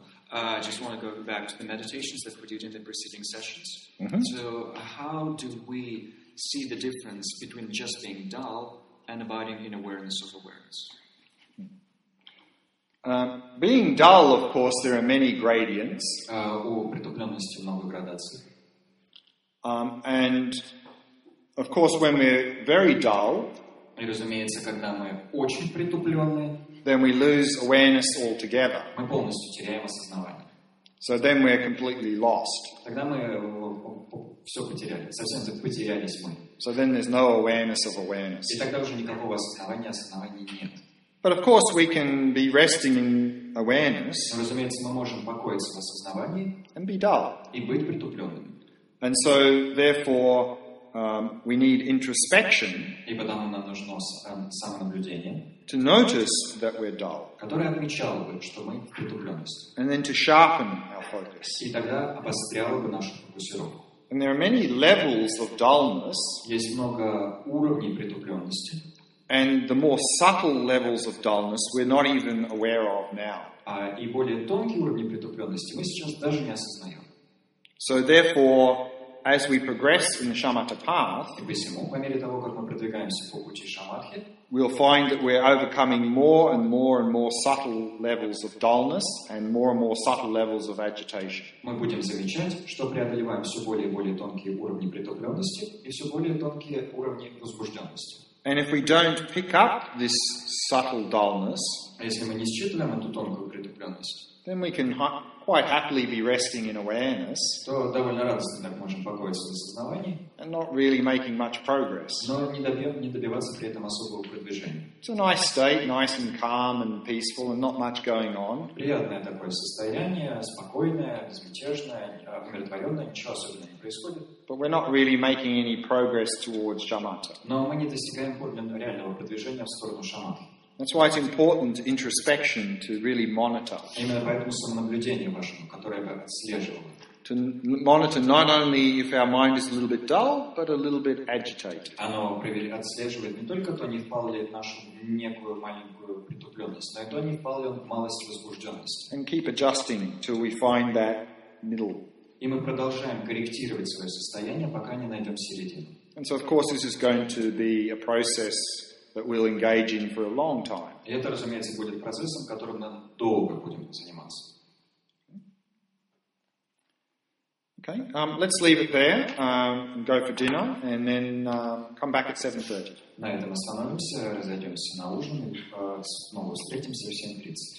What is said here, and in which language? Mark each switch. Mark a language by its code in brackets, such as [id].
[en] I just want to go back to the meditations that we did in the preceding sessions. Mm-hmm. So how do we see the difference between just being dull and abiding in awareness of awareness? Being dull, of course, there are many gradients. [ru] У притупленности много градаций. [en] And of course, when we're very dull, [ru] и разумеется, когда мы очень притупленные, [en] then we lose awareness altogether. [ru] Мы полностью теряем осознавание. [en] So then we're completely lost. [ru] Тогда мы все потеряли, совсем потерялись мы. [en] So then there's no awareness of awareness. [ru] И тогда уже никакого осознавания, осознавания нет. [en] But of course we can be resting in awareness. [ru] Но, разумеется, мы можем покоиться в осознавании. [en] And be dull. [ru] И быть притупленными. [en] And so, therefore, we need introspection. [ru] И потому нам нужно самонаблюдение. [en] To notice that we're dull. [ru] Который отмечал бы, что мы в притупленности. [en] And then to sharpen our focus. [ru] И тогда обострял бы нашу фокусировку. [en] And there are many levels of dullness. [ru] Есть много уровней притупленности. [en] And the more subtle levels of dullness we're not even aware of now. [ru] И более тонкие уровни притупленности мы сейчас даже не осознаем. [en] So therefore, as we progress in the shamatha path, [ru] и посему, по мере того, как мы продвигаемся по пути шамадхи, [en] we'll find that we're overcoming more and more and more subtle levels of dullness and more subtle levels of agitation. [ru] Мы будем замечать, что преодолеваем все более и более тонкие уровни притупленности и все более тонкие уровни возбужденности. [en] And if we don't pick up this subtle dullness, [ru] если мы не считываем эту тонкую притупленность, [en] then we can quite happily be resting in awareness, [ru] то довольно радостно так можем покоиться в осознавании, [en] and not really making much progress. [ru] Но не добиваться при этом особого продвижения. [en] It's a nice state, nice and calm and peaceful, and not much going on. [ru] Приятное такое состояние, спокойное, безмятежное, умиротворенное, ничего особенного не происходит. [en] But we're not really making any progress towards shamatha. [ru] Но мы не достигаем подлинного реального продвижения в сторону шамата. [en] That's why it's important introspection to really monitor. [ru] Именно поэтому самонаблюдение важно, которое бы отслеживало. [en] To monitor not only if our mind is a little bit dull, but a little bit agitated. [ru] Оно отслеживает не только то, не впал ли нашу некую маленькую притупленность, но и то, не впал ли малость возбужденности. [en] And keep adjusting till we find that middle. [ru] И мы продолжаем корректировать свое состояние, пока не найдем середину. [en] And so, of course, this is going to be a process that we'll engage in for a long time. [ru] И это, разумеется, будет процессом, которым мы долго будем заниматься. [en] Okay. Let's leave it there. Go for dinner, and then come back at 7:30. [ru] На этом остановимся, разойдемся на ужин, и снова встретимся в 7:30.